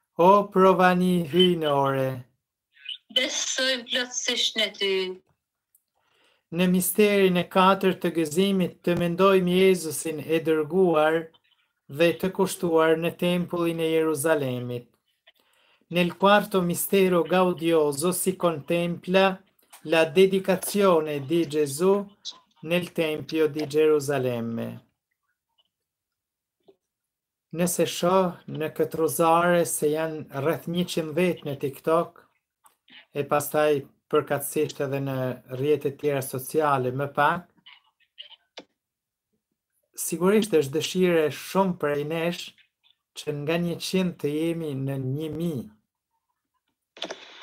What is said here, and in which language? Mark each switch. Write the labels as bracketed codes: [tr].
[sq] O provani hyjnore. Besojmë plotësisht në ty. Në misterin e katër të gëzimit të mendojmë Jezusin e dërguar dhe të kushtuar në tempullin e Jeruzalemit. [it] Nel quarto mistero gaudioso si contempla la dedicazione di Gesù nel Tempio di Gerusalemme. [sq] Nëse shoh në këtë rozare se janë rreth 100 vetë në TikTok e pastaj përkatësisht edhe në rrjetet tjera sociale më pak, Sigurisht është dëshire shumë prej nesh që nga 100 të jemi në 1000.